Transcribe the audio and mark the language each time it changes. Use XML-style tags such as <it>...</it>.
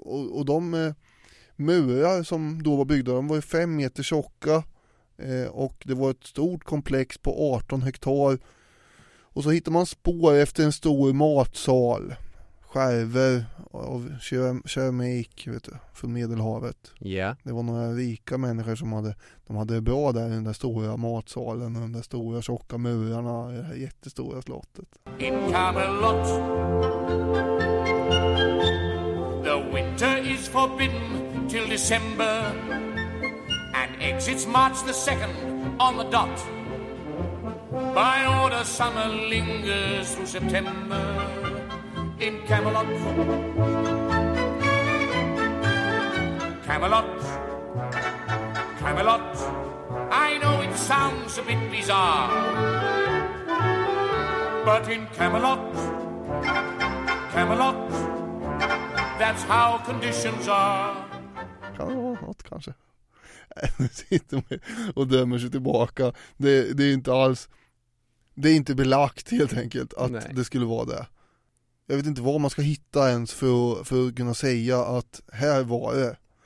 <sv>Och de murar som då var byggda, de var 5 meter tjocka, och det var ett stort komplex på 18 hektar. Och så hittar man spår efter en stor matsal. skärvor av keramik, vet du, från Medelhavet.</sv> <en>Yeah.</en> <sv>Det var några rika människor som hade, de hade det bra där i den där stora matsalen och den där stora tjocka murarna i det här jättestora slottet.</sv> <en>In Camelot, the winter is forbidden till December, and exits March the 2nd on the dot. By order, summer lingers through September in Camelot. Camelot, Camelot, I know it sounds a bit bizarre, but in Camelot, Camelot, that's how conditions are.</en> <sv>Kan det vara något kanske? Nu sitter man och dömer sig tillbaka. Det är inte alls, det är inte belagt helt enkelt att Nej. Det skulle vara det. Jag vet inte vad man ska hitta ens för att kunna säga att här var det.</sv>